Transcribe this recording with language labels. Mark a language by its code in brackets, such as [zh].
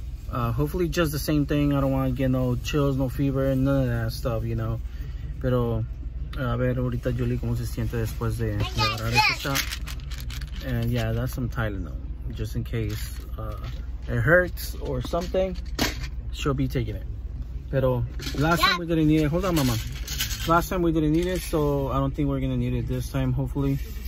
[en] Hopefully, just the same thing. I don't want to get no chills, no fever, none of that stuff, you know. [es] Pero. A ver, ahorita Julie, ¿cómo se siente después de agarrar este shot? [en] And yeah, that's some Tylenol, just in case it hurts or something, she'll be taking it. [es] Pero [en] last time we didn't need it. Hold on, mama. Last time we didn't need it, so I don't think we're gonna need it this time, hopefully.